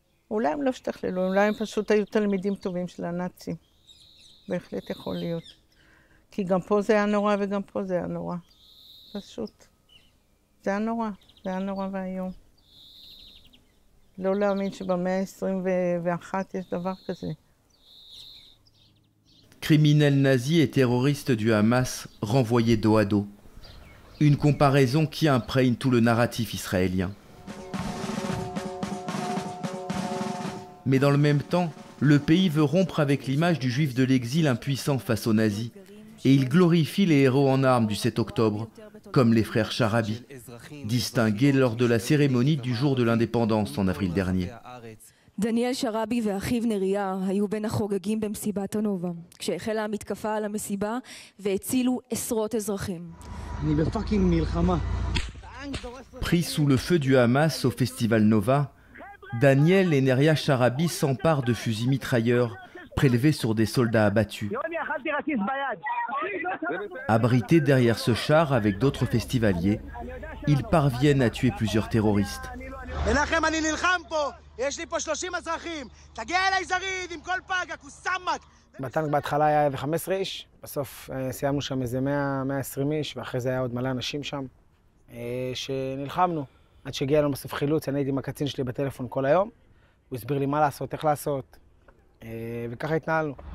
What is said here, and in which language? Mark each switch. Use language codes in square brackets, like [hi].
[he] אולי הם לא השתכללו, אולי הם פשוט היו תלמידים טובים של הנאצים. בהחלט יכול להיות. כי גם פה זה היה נורא וגם פה זה היה נורא. פשוט. זה היה נורא. זה היה נורא והיום. לא להאמין שבמאה ה-21 יש דבר כזה. [fr] Criminel nazi et terroriste du Hamas renvoyé dos à dos. Une comparaison qui imprègne tout le narratif israélien. Mais dans le même temps, le pays veut rompre avec l'image du juif de l'exil impuissant face aux nazis. Et il glorifie les héros en armes du 7 octobre, comme les frères Charabi, distingués lors de la cérémonie du jour de l'indépendance en avril dernier. [he] דניאל שרבי ואחיו נריה היו בין החוגגים במסיבת הנובה, כשהחלה המתקפה על המסיבה והצילו עשרות אזרחים. אני בפאקינג מלחמה. [fr] Pris sous le feu du Hamas au festival Nova, דניאל et נריה שרבי s'emparent de fusils mitrailleurs prélevés sur des soldats abattus. Abrités derrière ce char avec d'autres festivaliers, ils parviennent à tuer plusieurs terroristes. [he] אנחם אני נלחם פה. יש לי פה 30 אזרחים, תגיע אליי זריד עם כל פאג, הקוסמק. בטנק בהתחלה היה 15 איש, בסוף סיימנו שם איזה 100-120 איש, ואחרי זה היה עוד מלא אנשים שם, שנלחמנו. עד שהגיע לנו בסוף חילוץ, אני הייתי עם הקצין שלי בטלפון כל היום, הוא הסביר לי מה לעשות, איך לעשות, וככה התנהלנו.